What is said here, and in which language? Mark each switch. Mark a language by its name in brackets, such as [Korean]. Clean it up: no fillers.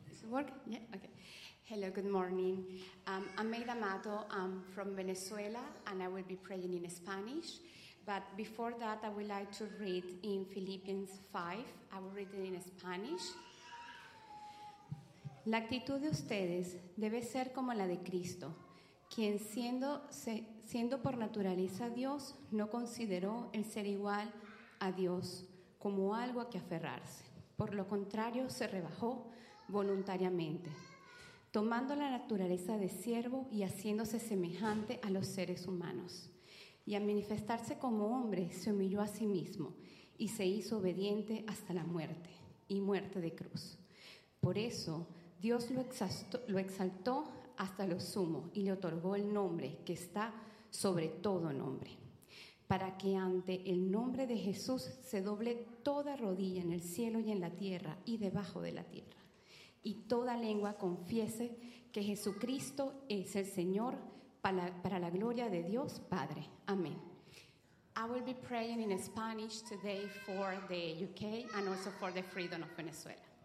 [English] work? Yeah, okay. Hello, good morning. I'm Maida Amado. I'm from Venezuela, and I will be praying in Spanish. But before that, I would like to read in Philippians 5. I will read it in Spanish. [Spanish] La actitud de ustedes debe ser como la de Cristo, quien siendo por naturaleza Dios, no consideró el ser igual a Dios como algo a que aferrarse. Por lo contrario, se rebajó voluntariamente, tomando la naturaleza de siervo y haciéndose semejante a los seres humanos. Y al manifestarse como hombre, se humilló a sí mismo y se hizo obediente hasta la muerte y muerte de cruz. Por eso, Dios lo exaltó hasta lo sumo y le otorgó el nombre que está sobre todo nombre, para que ante el nombre de Jesús se doble toda rodilla en el cielo y en la tierra y debajo de la tierra, y toda lengua confiese que Jesucristo es el Señor para la gloria de Dios Padre. Amén. [English] I will be praying in Spanish today for the UK and also for the freedom of Venezuela.